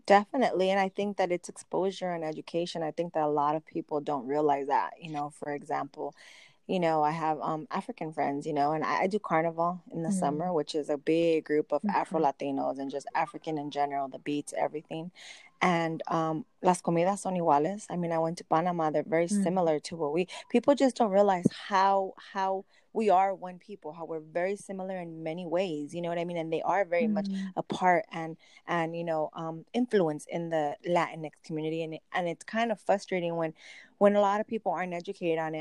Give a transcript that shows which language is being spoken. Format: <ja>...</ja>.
<en>Definitely. And I think that it's exposure and education. I think that a lot of people don't realize that, you know, for example, you know, I have African friends, you know, and I do carnival in the mm-hmm. summer, which is a big group of mm-hmm. Afro-Latinos and just African in general, the beats, everything.</en> <es>And las comidas son iguales.</es> <en>I mean, I went to Panama. They're very mm-hmm. similar to what we, people just don't realize how we are one people, how we're very similar in many ways, you know what I mean? And they are very mm-hmm. much a part and, you know, influence in the Latinx community. And it's kind of frustrating when a lot of people aren't educated on it.</en>